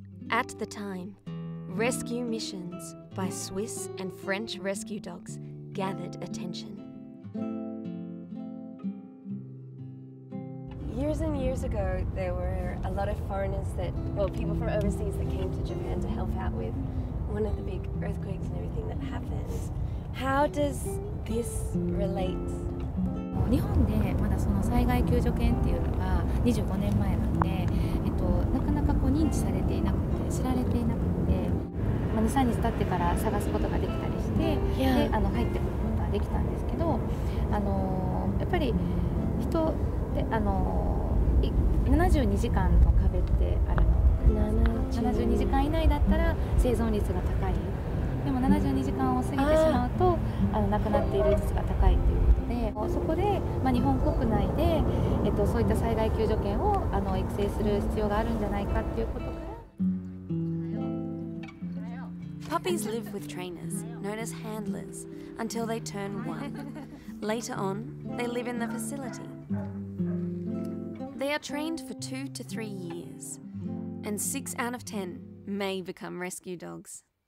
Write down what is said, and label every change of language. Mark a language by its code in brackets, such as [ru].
[en] At the time, rescue missions by Swiss and French rescue dogs gathered attention. Years and years ago, there were a lot of foreigners people from overseas that came to Japan to help out with one of the big earthquakes and everything that happened. How does this relate? [ja] 日本でまだその災害救助犬っていうのが25年前なんで、なかなかこう認知されていなくて、知られていなくて、まあ、2、3日経ってから探すことができたりして、 yeah. で入ってくることができたんですけど、やっぱり人で72時間の壁ってあるの。 72時間以内だったら生存率が高い。でも72時間を過ぎてしまうと亡くなっている率が高いということで、そこで、まあ、日本国内で、そういった災害救助犬を育成する必要があるんじゃないかっていうことから。 [en] Puppies live with trainers, known as handlers, until they turn one. Later on, they live in the facility. They are trained for 2 to 3 years, and 6 out of 10 may become rescue dogs.